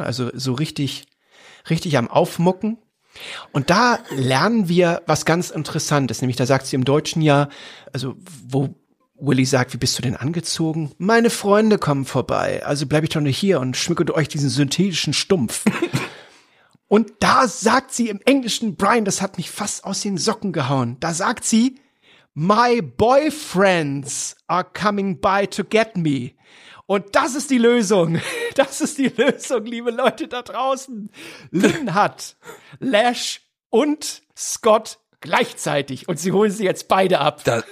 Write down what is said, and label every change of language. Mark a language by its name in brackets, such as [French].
[German] Also so richtig, richtig am Aufmucken. Und da lernen wir was ganz Interessantes. Nämlich da sagt sie im Deutschen ja, also wo Willy sagt, wie bist du denn angezogen? Meine Freunde kommen vorbei, also bleib ich doch nur hier und schmücke euch diesen synthetischen Stumpf. Und da sagt sie im Englischen, Brian, das hat mich fast aus den Socken gehauen. Da sagt sie, [English] my boyfriends are coming by to get me. [German] Und das ist die Lösung. Das ist die Lösung, liebe Leute da draußen. Lynn hat Lash und Scott gleichzeitig. Und sie holen sie jetzt beide ab.